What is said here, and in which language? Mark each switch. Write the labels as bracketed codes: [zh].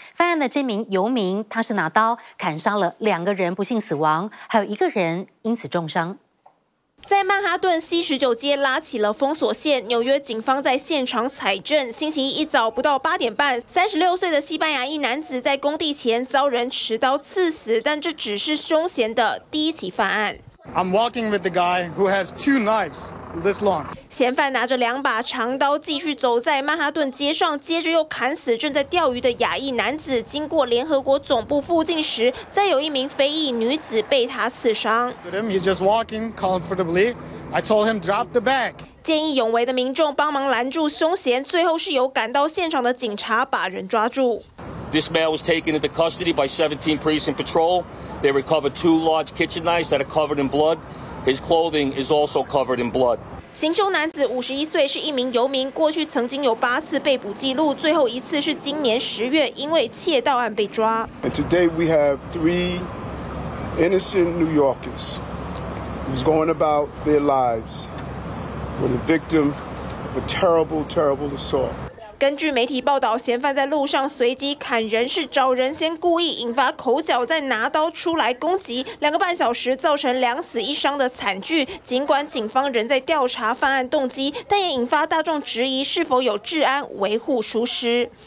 [zh] 犯案的这名游民，他是拿刀砍伤了两个人，不幸死亡，还有一个人因此重伤。在曼哈顿西十九街拉起了封锁线，纽约警方在现场采证。星期一早不到八点半，36岁的西班牙裔男子在工地前遭人持刀刺死，但这只是凶嫌的第一起犯案。 [en] I'm walking with the guy who has two knives this long. [zh] 嫌犯拿着两把长刀继续走在曼哈顿街上，接着又砍死正在钓鱼的亚裔男子。经过联合国总部附近时，再有一名非裔女子被他刺伤。 [en] He's just walking comfortably. I told him drop the bag. [zh] 见义勇为的民众帮忙拦住凶嫌，最后是由赶到现场的警察把人抓住。 [en] This man was taken into custody by 17 precinct patrol. They recovered two large kitchen knives that are covered in blood. His clothing is also covered in blood. [zh] 行凶男子51岁，是一名游民，过去曾经有8次被捕记录，最后一次是今年10月，因为窃盗案被抓。 [en] And today we have 3 innocent New Yorkers who's going about their lives with a victim of a terrible, terrible assault. [zh] 根据媒体报道，嫌犯在路上随机砍人是找人先故意引发口角，再拿刀出来攻击，两个半小时造成两死一伤的惨剧。尽管警方仍在调查犯案动机，但也引发大众质疑是否有治安维护疏失。